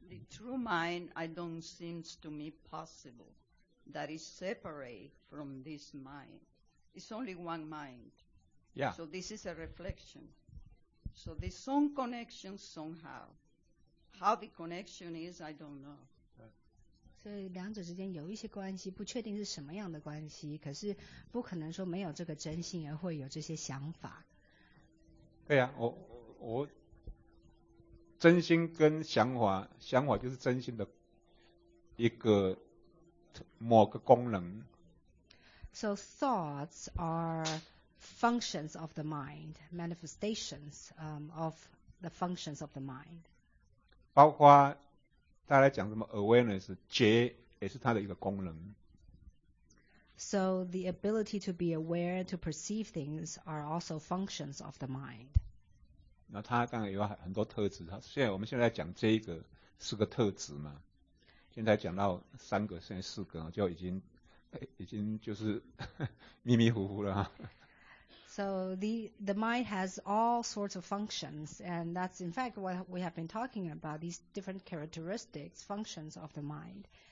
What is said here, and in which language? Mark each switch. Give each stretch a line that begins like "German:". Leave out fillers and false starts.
English: True mind, I don't seem to me possible that is separate from this mind. It's only one mind. Yeah. So this is a reflection. So there's some connection somehow. How the connection is, I don't know.
Chinese: 所以两者之间有一些关系，不确定是什么样的关系，可是不可能说没有这个真心而会有这些想法。对呀，我真心跟想法就是真心的一个某个功能。
English: So thoughts are functions of the mind, manifestations of the functions of the mind.
Chinese: 包括大家讲什么 awareness, 觉也是它的一个功能。
English: So the ability to be aware, to perceive things are also functions of the mind.
Chinese: 那它当然有很多特质，我们现在讲这个是个特质嘛，现在讲到三个，现在四个就已经就是迷迷糊糊了。
English: So the mind has all sorts of functions, and that's in fact what we have been talking about, these different characteristics, functions of the mind.